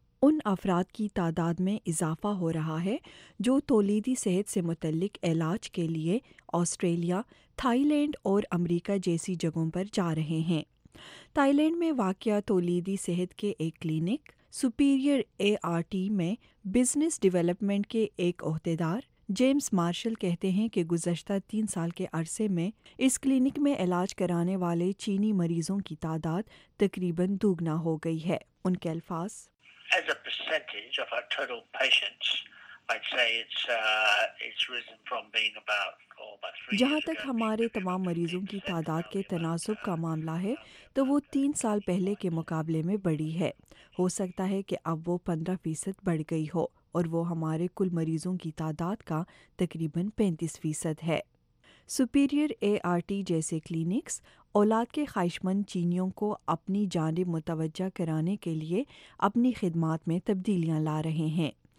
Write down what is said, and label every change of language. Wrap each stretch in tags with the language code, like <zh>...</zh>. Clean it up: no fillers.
<ur>ان افراد کی تعداد میں اضافہ ہو رہا ہے جو تولیدی صحت سے متعلق علاج کے لیے آسٹریلیا، تھائی لینڈ اور امریکہ جیسی جگہوں پر جا رہے ہیں۔ تھائی لینڈ میں واقع تولیدی صحت کے ایک clinic superior a are T میں بزنس ڈیولپمنٹ کے ایک عہدیدار جیمس مارشل کہتے ہیں کہ گزشتہ 3 سال کے عرصے میں اس کلینک میں علاج کرانے والے چینی مریضوں کی تعداد تقریباً دوگنا ہو گئی ہے۔ ان کے الفاظ،</ur> <en>As a percentage of our total patients, I'd say it's risen from being about</en> <ur>جہاں تک ہمارے تمام مریضوں کی تعداد کے تناسب کا معاملہ ہے تو وہ 3 سال پہلے کے مقابلے میں بڑھی ہے۔ ہو سکتا ہے کہ اب وہ 15% بڑھ گئی ہو اور وہ ہمارے کل مریضوں کی تعداد کا تقریباً 35% ہے۔ سپیریئر اے آر ٹی جیسے کلینکس اولاد کے خواہش مند چینیوں کو اپنی جانب متوجہ کرانے کے لیے اپنی خدمات میں تبدیلیاں لا رہے ہیں۔</ur>